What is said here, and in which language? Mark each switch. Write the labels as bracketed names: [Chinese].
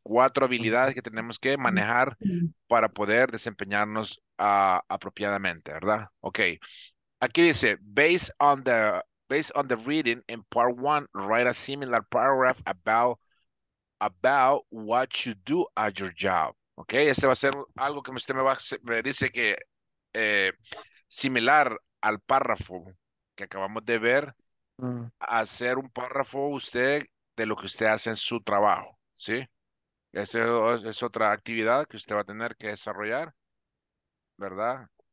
[Spanish] Cuatro habilidades que tenemos que manejar para poder desempeñarnos apropiadamente, ¿verdad? Okay. Aquí dice, [English] based on the reading in part one, write a similar paragraph about what you do at your job. [Spanish] Okay, este va a ser algo que usted me dice que similar al párrafo que acabamos de ver, hacer un párrafo usted de lo que usted hace en su trabajo, ¿sí? Esa es otra actividad que usted va a tener que desarrollar, ¿verdad?